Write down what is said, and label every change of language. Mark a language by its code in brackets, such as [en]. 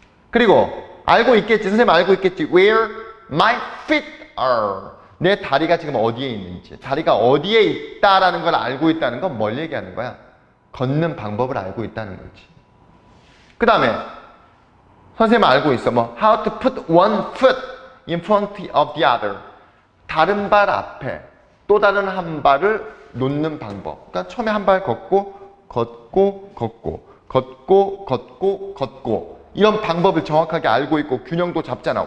[ko] 그리고 알고 있겠지. 선생님 알고 있겠지. [en] Where my feet are. [ko] 내 다리가 지금 어디에 있는지. 다리가 어디에 있다라는 걸 알고 있다는 건 뭘 얘기하는 거야? 걷는 방법을 알고 있다는 거지. 그 다음에 선생님 알고 있어. [en] 뭐 how to put one foot in front of the other. [ko] 다른 발 앞에 또 다른 한 발을 놓는 방법. 그러니까 처음에 한 발 걷고 걷고 걷고 걷고 걷고 걷고 이런 방법을 정확하게 알고 있고 균형도 잡잖아.